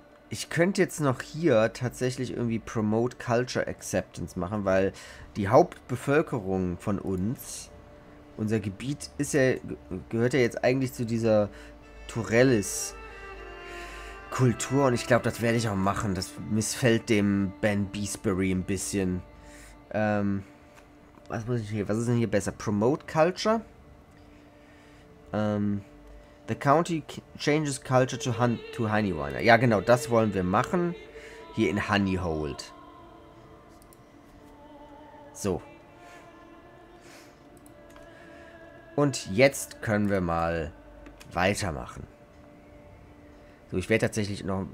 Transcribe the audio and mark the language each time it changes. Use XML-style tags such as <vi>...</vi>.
<de>Ich könnte jetzt noch hier tatsächlich irgendwie Promote Culture Acceptance machen, weil die Hauptbevölkerung von uns, unser Gebiet, ist ja, gehört ja jetzt eigentlich zu dieser Turellis Kultur und ich glaube, das werde ich auch machen. Das missfällt dem Ben Beesbury ein bisschen. Was ist denn hier besser?</de> <en>Promote Culture? The county changes culture to Honeywiner.</en> <de>Ja, genau, das wollen wir machen. Hier in Honeyhold. So. Und jetzt können wir mal weitermachen. So, ich werde tatsächlich noch.</de>